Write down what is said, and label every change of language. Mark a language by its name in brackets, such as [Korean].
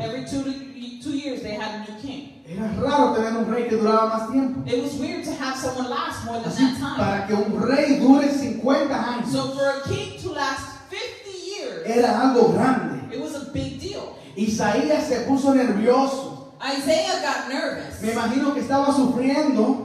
[English] Every two years they had a new king. [Spanish] Era raro tener un rey que duraba más tiempo. [English] It was weird to have someone last more than [Spanish] así, [English] that time. [Spanish] Para que un rey dure 50 años. [English] So for a king to last 50 years. [Spanish] Era algo grande. [English] It was a big deal. [Spanish] Isaías se puso nervioso. [English] Isaiah got nervous. [Spanish] Me imagino que estaba sufriendo.